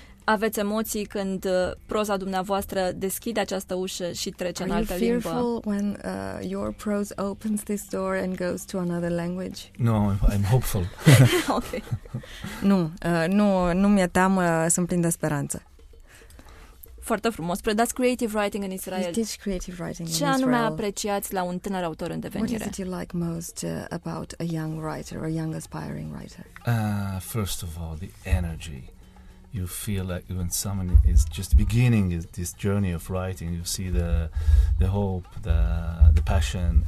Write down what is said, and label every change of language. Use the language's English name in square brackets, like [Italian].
[Romanian] Aveți emoții când proza dumneavoastră deschide această ușă și trece în altă limbă? [English] Are you fearful when your prose opens this door and goes to another language? No, I'm hopeful. Okay. [Romanian] Nu mi-e teamă, sunt plin de speranță. Foarte frumos. Predați creative writing în Israel. [English] I teach creative writing in [Romanian] Israel. Ce anume apreciați la un tânăr autor în devenire? [English] What is it you like most about a young writer or a young aspiring writer? First of all, the energy. You feel like when someone is just beginning this journey of writing, you see the hope, the passion.